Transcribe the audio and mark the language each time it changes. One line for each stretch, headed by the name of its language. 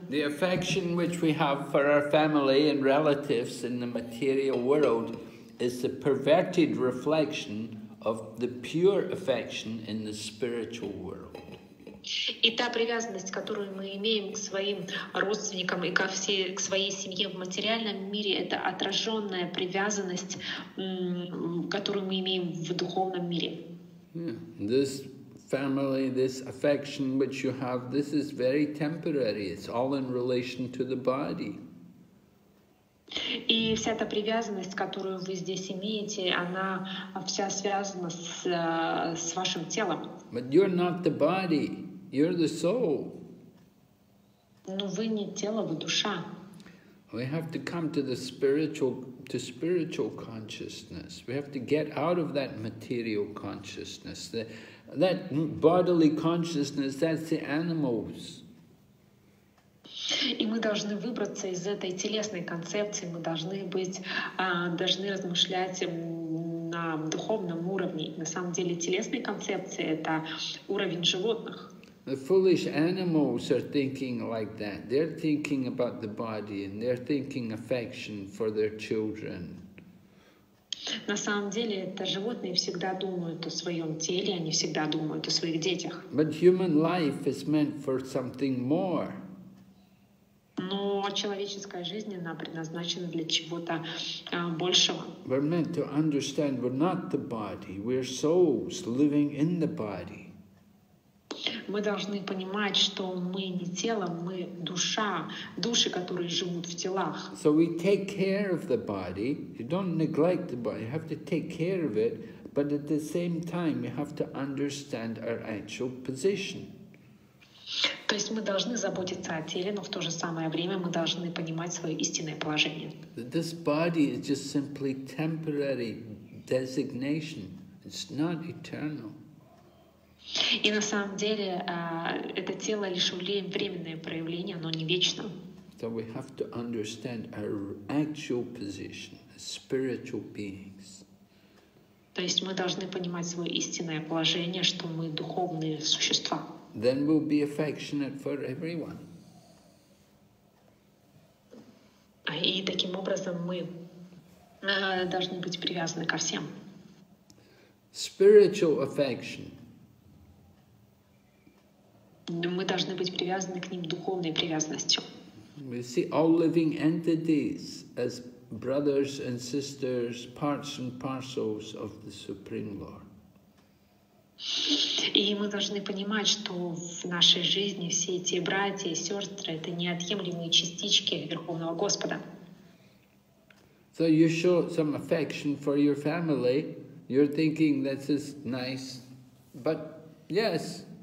English: The affection which we have for our family and relatives in the material world is the perverted reflection of the pure affection in the spiritual world.
Russian: И та привязанность, которую мы имеем к своим родственникам и к своей семье в материальном мире, это отраженная привязанность, которую мы имеем в духовном мире.
English: This family, this affection which you have, this is very temporary. It's all in relation to the body.
Russian: И вся эта привязанность, которую вы здесь имеете, она вся связана с вашим телом.
English: But you're not the body, you're the soul.
Russian: Но вы не тело, вы душа.
English: We have to come to the spiritual consciousness. We have to get out of that material consciousness. That bodily consciousness, that's the animals.
Russian: И мы должны выбраться из этой телесной концепции, мы должны быть, должны размышлять на духовном уровне. На самом деле телесная концепция — это уровень животных.
English: The foolish animals are thinking like that. They're thinking about the body and they're thinking affection for their children.
Russian: На самом деле, это животные всегда думают о своем теле, они всегда думают о своих детях.
English: But human life is meant for something more.
Russian: Но человеческая жизнь, она предназначена для чего-то большего.
English: We're meant to understand we're not the body, we're souls living in the body.
Russian: Мы должны понимать, что мы не тело, мы душа, души, которые живут в телах.
English: So we take care of the body. You don't neglect the body. You have to take care of it, but at the same time, you have to understand our actual position.
Russian: То есть мы должны заботиться о теле, но в то же самое время мы должны понимать свое истинное положение.
English: This body is just simply temporary designation. It's not eternal.
Russian: И на самом деле это тело лишь временное проявление, оно не вечно.
English: So we have to understand our actual position as spiritual beings.
Russian: То есть мы должны понимать свое истинное положение, что мы духовные существа.
English: Then we'll be affectionate for everyone.
Russian: И таким образом мы должны быть привязаны ко всем.
English: Spiritual affection.
Russian: Мы должны быть привязаны к ним духовной привязанностью.
English: We see all living entities as brothers and sisters, parts and parcels of the Supreme Lord.
Russian: И мы должны понимать, что в нашей жизни все эти братья и сестры — это неотъемлемые частички Верховного Господа.
English: So you show some affection for your family. You're thinking that is nice, but yes.